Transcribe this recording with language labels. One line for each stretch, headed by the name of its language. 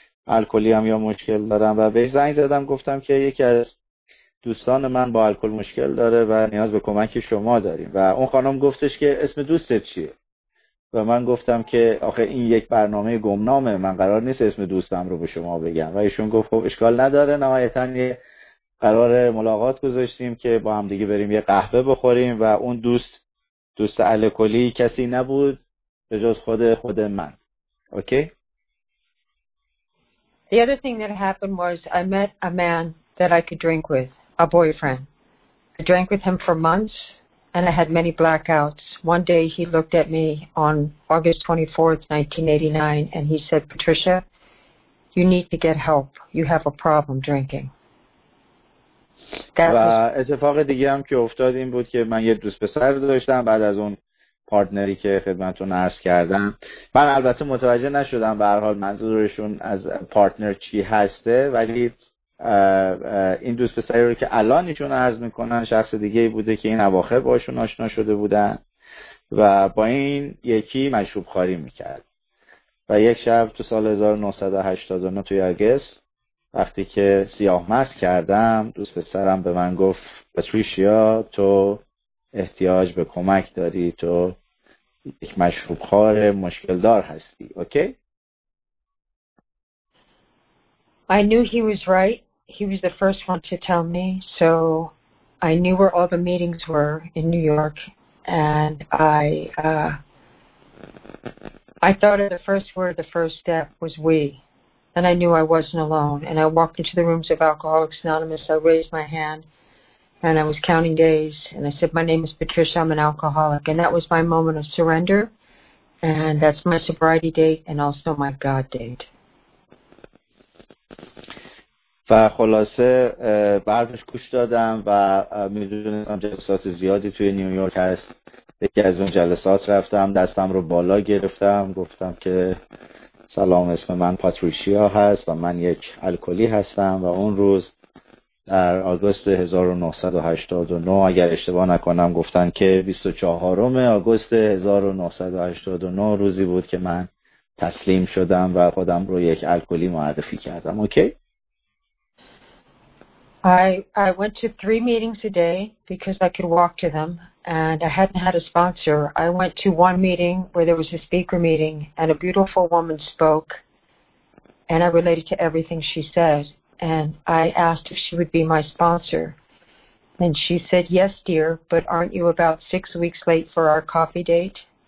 Persian: الکلی هم یا مشکل دارم و به زنگ زدم گفتم که یکی از دوستان من با الکل مشکل داره و نیاز به کمک شما داریم و اون خانم گفتش که اسم دوستت چیه و من گفتم که آخه این یک برنامه گمنامه، من قرار نیست اسم دوستم رو به شما بگم و ایشون گفت خب اشکال نداره، نهایتاً یه قرار ملاقات گذاشتیم که با هم دیگه بریم یه قهوه بخوریم و اون دوست الکلی کسی نبود به جز خود من.
English: Okay. The other thing that happened was I met a man that I could drink with, a boyfriend. I drank with him for months and I had many blackouts. One day he looked at me on August 24th, 1989 and he said, "Patricia, you need to get help. You have a problem drinking."
Persian: و اتفاق دیگه هم که افتاد این بود که من یه دوست پسر داشتم بعد از اون پارتنری که خدمتتون عرض کردم. من البته متوجه نشدم به هر حال منظورشون از پارتنر چی هسته، ولی این دوست پسری رو که الان ایشون عرض میکنن شخص دیگه بوده که این اواخر باشون آشنا شده بودن و با این یکی مشروب خاری میکرد و یک شب تو سال 1989 توی آگست وقتی که سیاه مست کردم دوست پسرم به من گفت پاتریشیا تو احتیاج به کمک داری، تو یک مشروب خوار مشکل دار هستی.
English: Okay. I knew he was right. He was the first one to tell me. So I knew where all the meetings were in New York and I thought of the first word, the first step was we. And I knew I wasn't alone. And I walked into the rooms of Alcoholics Anonymous. I raised my hand and I was counting days. And I said, "My name is Patricia. I'm an alcoholic." And that was my moment of surrender. And that's my sobriety date and also my God date.
Persian: و خلاصه بعدش گوش دادم و میدونستم جلسات زیادی توی نیویورک هست. یکی از اون جلسات رفتم، دستم رو بالا گرفتم، گفتم که سلام، اسم من پاتریشیا هست و من یک الکلی هستم و اون روز در آگوست 1989 اگر اشتباه نکنم گفتن که 24 آگوست 1989 روزی بود که من تسلیم شدم و خودم رو یک الکلی معرفی کردم.
English: Okay. I went to 3 meetings a day because I could walk to them. And I hadn't had a sponsor. I went to one meeting where there was a speaker meeting and a beautiful woman spoke and I related to everything she said and I asked if she would be my sponsor and she said, "Yes, dear, but aren't you about 6 weeks late for our coffee date?"